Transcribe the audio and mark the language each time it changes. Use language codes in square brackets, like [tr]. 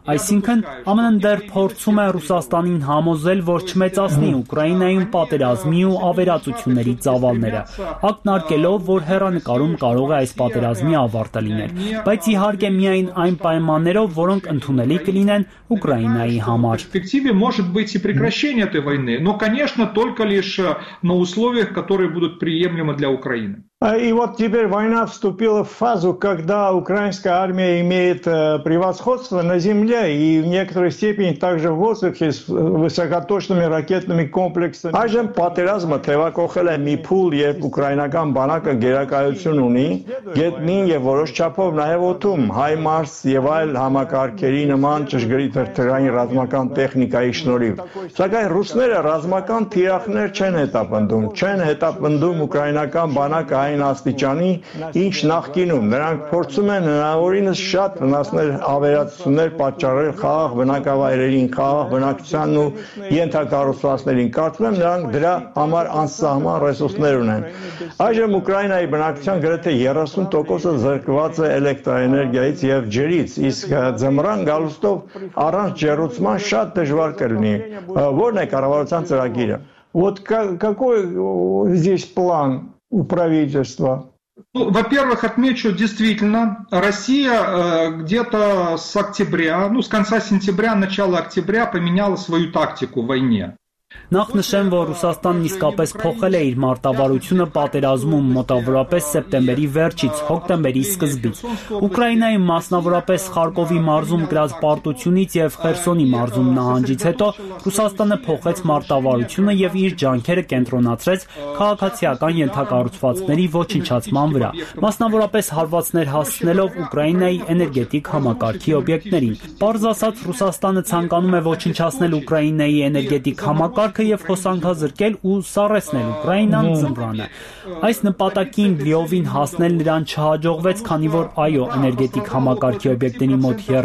[hy] Այսինքն, ԱՄՆ-ն դեռ փորձում է Ռուսաստանին համոզել, որ չմեծացնի Ուկրաինայում պատերազմի ու ավերածությունների ծավալները, ակնարկելով, որ հեռանկարում կարող է այս պատերազմի ավարտը լինել, բայց իհարկե միայն այն պայմաններով, որոնք ընդունելի կլինեն Ուկրաինայի համար։ [ru] Перспективе может быть и прекращение этой войны, но, конечно, только лишь на условиях, которые будут приемлемы для Украины. И вот теперь война вступила в фазу, когда украинская армия имеет превосходство на земле и в некоторой степени также в воздухе с высокоточными ракетными комплексами. [hy] Այժմ պատերազմը թևակողել է մի փուլ, երբ ուկրաինական բանակը գերակայություն ունի, գետնին եւ որոշ չափով նաեւ օդում, հայմարս եւ այլ համակարգերի նման ճշգրիտ թռչային ռազմական տեխնիկայի շնորհիվ։ Սակայն ռուսները ռազմական թիրախներ չեն հետապնդում ուկրաինական բանակը այն աստիճանի, ինչ նախկինում, նրանք փորձում են հնարավորինս շատ վնասներ, ավերածություններ պատճառել խաղաղ բնակավայրերին, խաղաղ բնակչության ու ենթակառուցվածքներին, կարծում եմ նրանք դրա համար անսահման ռեսուրսներ ունեն։ Այժմ Ուկրաինայի բնակչության գրեթե 30% զրկված է էլեկտրաէներգիայից և ջրից, իսկ ձմռան գալուստով առանց ջերուցման շատ դժվար կլինի։ Որն է կառավարության ծրագիրը, [ru] какой здесь план у правительства? Ну, во-первых, отмечу, действительно, Россия где-то с октября, ну, с конца сентября, начала октября поменяла свою тактику в войне. [hy] Նախ նշեմ, որ Ռուսաստանն իսկապես փոխել է իր մարտավարությունը պատերազմում մոտավորապես սեպտեմբերի վերջից հոկտեմբերի սկզբից։ Ուկրաինայի մասնավորապես Խարկովի մարզում գրած պարտությունից եւ Խերսոնի մարզում նահանջից հետո Ռուսաստանը փոխեց մարտավարությունը եւ իր ջանքերը կենտրոնացրեց քաղաքացիական ենթակառուցվածքների ոչնչացման վրա, մասնավորապես հարվածներ հասցնելով Ուկրաինայի էներգետիկ համակարգի օբյեկտներին։ Պարզ ասած, Ռուսաստանը ցանկանում է ոչնչացնել Ուկրաինայի էներգետիկ համակարգը եւ խոսանքազրկել ու սառեցնել Ուկրաինան ձմռանը։ Այս նպատակին լիովին հասնել նրան չհաջողվեց, քանի որ այո, էներգետիկ համակարգի օբյեկտների մոտ